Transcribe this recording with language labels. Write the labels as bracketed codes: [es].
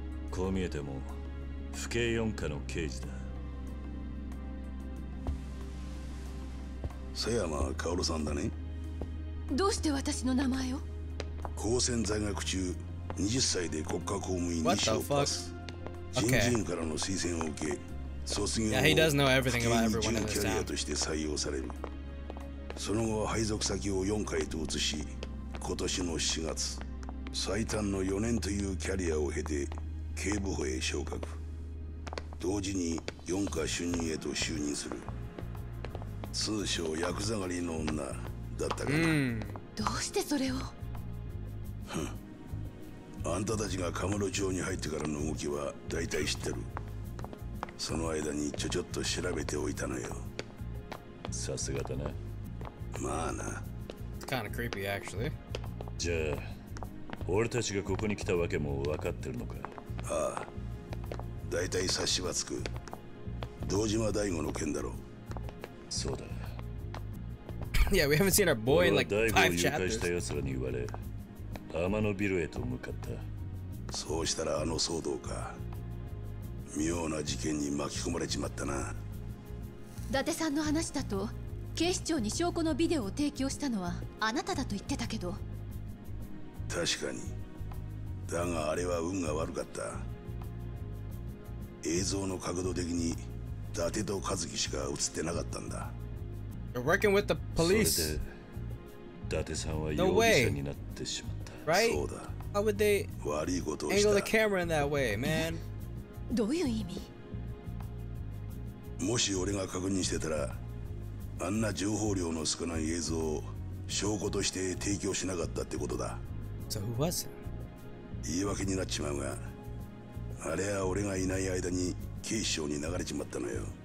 [ja] こう見えても府警四課の刑事だ。瀬山薫さんだね。どうして私の名前を。高専在学中20歳で国家公務員に昇格。新人からの推薦を受け、 [en] Yeah, he does know everything about everyone in this town. [ja] その後配属先を4回と移し、今年の4月、最短の4年というキャリアを経て警部補へ昇格。同時に4課主任へと就任する。通称ヤクザ狩りの女だったかな。どうしてそれを。あんたたちがカムロ町に入ってからの動きは大体知ってる。その間にちょちょっと調べておいたのよ。さすがだな。まあな。 [en] It's kind of creepy, actually. [ja] じゃあ、俺たちがここに来たわけも分かってるのか。ああ。だいたい察しはつく。堂島大吾の件だろう。そうだ。 [en] Yeah, we haven't seen our boy in like 5 chapters. [ja] 大吾を誘拐した奴らに言われ、天のビルへと向かった。そうしたらあの騒動か。妙な事件に巻き込まれちまったな。伊達さんの話だと警視庁に証拠のビデオを提供したのはあなただと言ってたけど。確かに。だがあれは運が悪かった。映像の角度的に伊達と和樹しか映ってなかったんだ。 [en] You're working with the police. No way. Right? How would they angle the camera in that way, man? [ja] どういう意味？もし俺が確認してたら、あんな情報量の少ない映像を証拠として提供しなかったってことだ。 [en] So who was it? [ja] 言い訳になっちまうが、あれは俺がいない間に警視庁に流れちまったのよ。